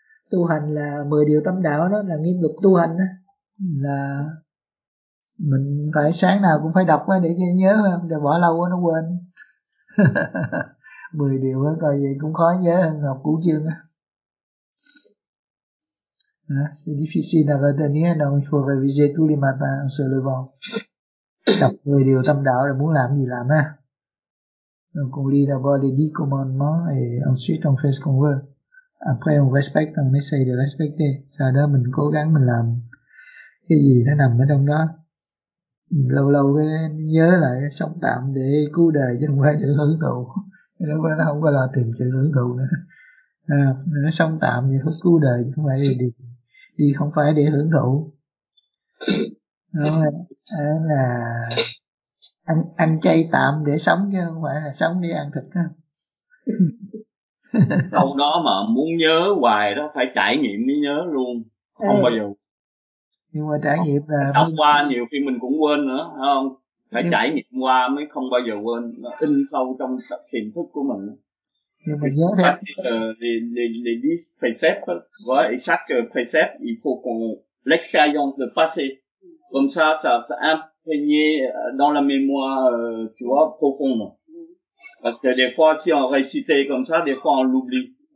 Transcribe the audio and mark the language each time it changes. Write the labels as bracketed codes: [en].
[vi] Tu hành là 10 điều tâm đạo đó, là nghiêm luật tu hành đó. Là mình phải sáng nào cũng phải đọc để cho nhớ, để bỏ lâu quá nó quên. 10 điều đó, coi vậy cũng khó nhớ hơn học củ chương. [fr] C'est difficile à retenir, donc il faut réviser tous les matins en se levant. [vi] Đọc 10 điều tâm đạo rồi muốn làm gì làm ha. [fr] Donc on lit d'abord les 10 commandements et ensuite on fait ce qu'on veut. Après on respecte, on essaye de respecter. [vi] Sau đó mình cố gắng mình làm cái gì nó nằm ở trong đó. Lâu lâu cái nhớ lại sống tạm để cứu đời chứ không phải để hưởng thụ. Lúc đó nó không có lo tìm chữ hưởng thụ nữa. À, nó sống tạm để cứu đời chứ không phải đi không phải để hưởng thụ. Đó là ăn chay tạm để sống chứ không phải là sống đi ăn thịt đó. Câu đó mà muốn nhớ hoài đó, phải trải nghiệm mới nhớ luôn, không bao giờ. Nhưng mà trải nghiệm là đọc qua nhiều khi mình cũng quên nữa, phải không? Phải trải nghiệm qua mới không bao giờ quên, nó in sâu trong tiềm thức của mình. Nhưng mà nhớ thế. [en] This precept [vi] với [fr] chaque precept il faut qu'on l'expérience de passé. Comme ça, ça imprégne dans la mémoire, tu vois, profonde. Parce que des fois, si on récite comme ça, des fois, on l'oublie.